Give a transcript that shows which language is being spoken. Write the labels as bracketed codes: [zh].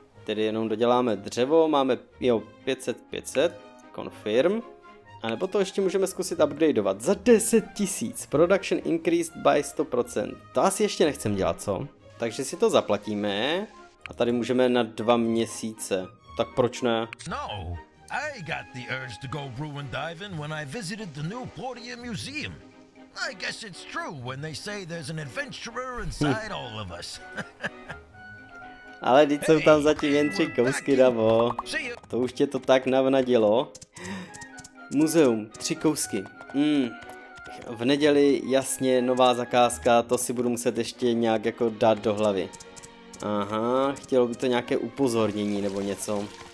[cs] Tedy jenom doděláme dřevo, máme, jo, 500, confirm. A nebo to ještě můžeme zkusit upgradeovat za 10 000, [en] production increased by 100%. [cs] To asi ještě nechcem dělat, co? Takže si to zaplatíme a tady můžeme na 2 měsíce. Tak proč ne? [en] No, I got the urge to go ruin diving when I visited the new Portia Museum. I guess it's true when they say there's an adventurer inside all of us. [cs] Ale teď jsou tam zatím jen tři kousky, Davo. To už tě to tak navnadilo. Muzeum, 3 kousky. V neděli, jasně, nová zakázka, to si budu muset ještě nějak jako dát do hlavy. Aha, chtělo by to nějaké upozornění nebo něco.